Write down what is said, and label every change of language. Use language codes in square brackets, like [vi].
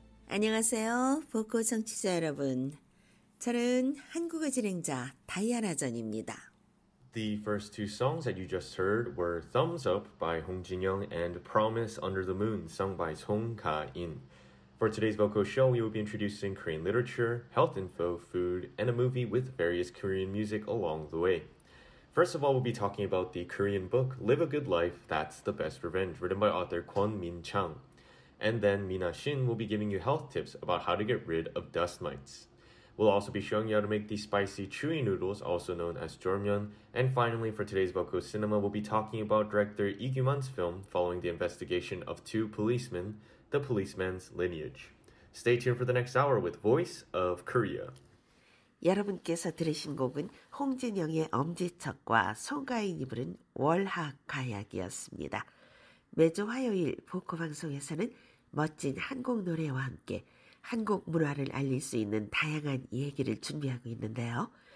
[ko] 안녕하세요, 복고 청취자 여러분. 저는 한국어 진행자 다이아나 전입니다. [en] The first two songs that you just heard were Thumbs Up by Hong Jin-young and Promise Under the Moon sung by Song Ka-in. For today's vocal show, we will be introducing Korean literature, health info, food, and a movie with various Korean music along the way. First of all, we'll be talking about the Korean book, Live a Good Life, That's the Best Revenge, written by author Kwon Min-chang. And then Mina Shin will be giving you health tips about how to get rid of dust mites. We'll also be showing you how to make the spicy chewy noodles, also known as jeoryeon. And finally, for today's Boko Cinema, we'll be talking about director Lee Kyu-man's film following the investigation of two policemen, The Policeman's Lineage. Stay tuned for the next hour with Voice of Korea. [ko] 여러분께서 들으신 곡은 홍진영의 엄지척과 송가인이 부른 월하가약이었습니다. 매주 화요일 보코 방송에서는 멋진 한국 노래와 함께 한국 문화를 알릴 수 있는 다양한 얘기를 준비하고 있는데요.